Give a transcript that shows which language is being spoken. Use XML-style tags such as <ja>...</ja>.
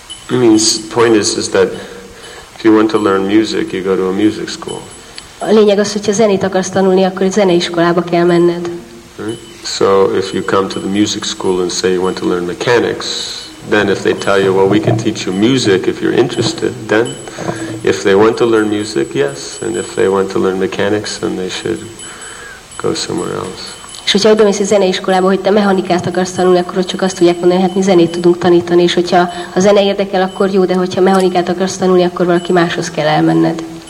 <en>I mean, the point is that if you want to learn music, you go to a music school.</en> <hu>A lényeg az, hogy ha zenét akarsz tanulni, akkor zeneiskolába kell menned.</hu> <en>So if you come to the music school and say you want to learn mechanics, then if they tell you, well, we can teach you music if you're interested, then if they want to learn music, yes, and if they want to learn mechanics, then they should go somewhere else.</en> <hu>És hogyha odamész a zeneiskolába, hogy te mechanikát akarsz tanulni, akkor csak azt tudják mondani, hát mi zenét tudunk tanítani, és hogyha a zene érdekel, akkor jó, de hogyha mechanikát akarsz tanulni, akkor valaki máshoz kell elmenned.</hu>